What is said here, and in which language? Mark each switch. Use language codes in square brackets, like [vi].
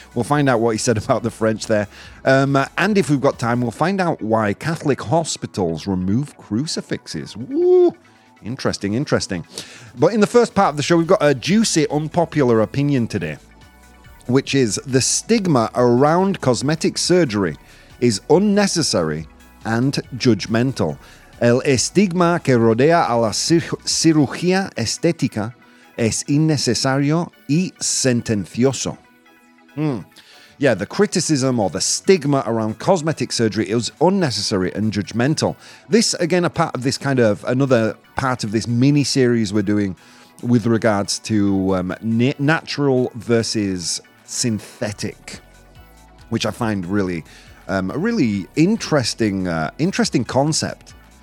[en] We'll find out what he said about the French there. And if we've got time, we'll find out why Catholic hospitals remove crucifixes. Woo! Interesting. But in the first part of the show, we've got a juicy, unpopular opinion today, which is the stigma around cosmetic surgery is unnecessary and judgmental. [es] El estigma que rodea a la cirugía estética es innecesario y sentencioso. [en] Yeah, the criticism or the stigma around cosmetic surgery is unnecessary and judgmental. This, again, a part of this kind of another part of this mini series we're doing with regards to natural versus synthetic, which I find really a really interesting concept.